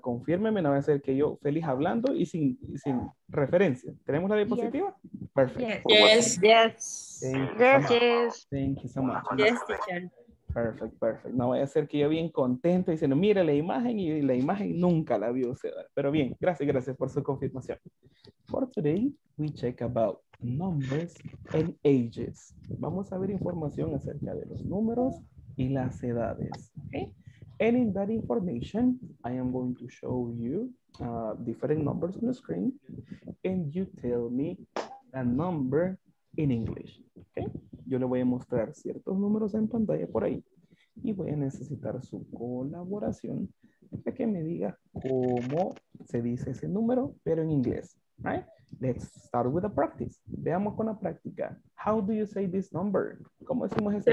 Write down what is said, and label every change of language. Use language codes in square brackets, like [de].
[es] Confírmeme, no va a ser que yo feliz hablando y sin referencia. ¿Tenemos la diapositiva? [en] Yes. Perfect. Yes. Yes. Thank yes. Thank you so much. Yes, teacher. Perfect, perfect. [es] No voy a ser que yo bien contento diciendo, mire la imagen, y la imagen nunca la vio usted. Pero bien, gracias, gracias por su confirmación. [en] For today, we check about numbers and ages. [es] Vamos a ver información acerca de los números y las edades. [en] Okay? And in that information, I am going to show you different numbers on the screen, and you tell me a number in English. Okay? [es] Yo le voy a mostrar ciertos números en pantalla por ahí y voy a necesitar su colaboración para que me diga cómo se dice ese número, pero en inglés. [en] Right? Let's start with the practice. [es] Veamos con la práctica. [en] How do you say this number? [es] ¿Cómo decimos ese